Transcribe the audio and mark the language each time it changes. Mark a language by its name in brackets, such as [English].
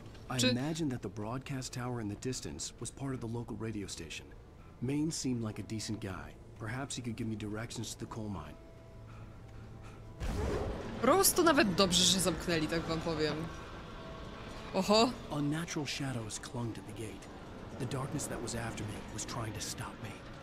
[English] I imagine that the broadcast tower in the distance was part of the local radio station. Main seemed like a decent guy. Perhaps he could give me directions to the coal mine. [Polish] Rose, to nawet dobrze, że zamknęli, tak wam powiem. Oho. [English] Unnatural shadows clung to the gate. The darkness that was after me was trying to stop me.